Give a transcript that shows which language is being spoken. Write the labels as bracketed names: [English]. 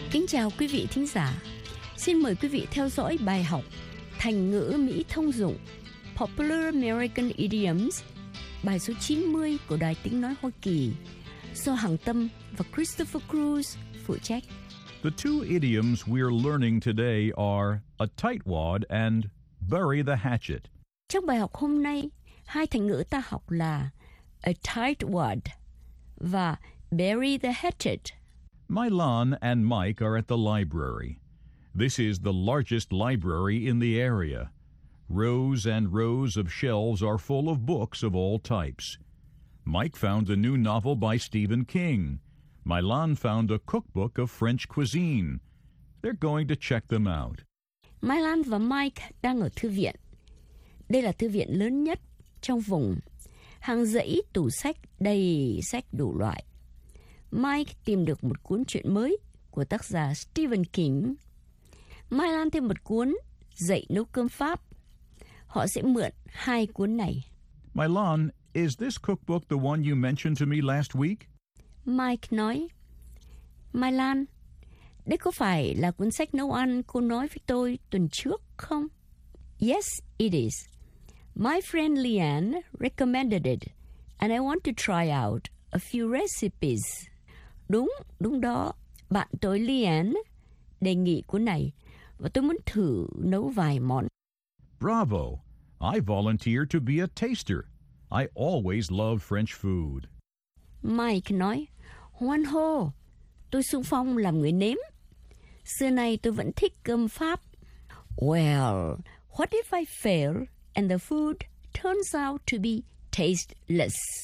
[Vietnamese] Chào quý vị thính giả. Xin mời quý vị theo dõi bài học Thành ngữ Mỹ thông dụng, [English] Popular American Idioms, [Vietnamese] bài số 90 của Đài Tiếng Nói Hoa Kỳ, do Hằng Tâm và Christopher Cruz phụ trách. [English] The two idioms we're learning today are a tightwad and bury the hatchet. [Vietnamese] Trong bài học hôm nay, hai thành ngữ ta học là a tightwad và [English] bury the hatchet. Mylon and Mike are at the library. This is the largest library in the area. Rows and rows of shelves are full of books of all types. Mike found a new novel by Stephen King. Mylon found a cookbook of French cuisine. They're going to check them out. [Vietnamese] Mylon và Mike đang ở thư viện. Đây là thư viện lớn nhất trong vùng. Hàng dãy tủ sách đầy sách đủ loại. Mike tìm được một cuốn truyện mới của tác giả Stephen King. Mylon thêm một cuốn dạy nấu cơm Pháp. Họ sẽ mượn hai cuốn này. [English] Mylon, is this cookbook the one you mentioned to me last week? [Vietnamese] Mike nói, Mylon, đây có phải là cuốn sách nấu ăn cô nói với tôi tuần trước không? [English] Yes, it is. My friend Leanne recommended it, and I want to try out a few recipes. [Vietnamese] Đúng, đúng đó. Bạn tôi Leanne đề nghị cuốn này, và tôi muốn thử nấu vài món. [English] Bravo! I volunteer to be a taster. I always love French food. [Vietnamese] Mike nói, hoan hô, tôi xung phong làm người nếm. Xưa nay tôi vẫn thích cơm Pháp. [English] Well, what if I fail and the food turns out to be tasteless?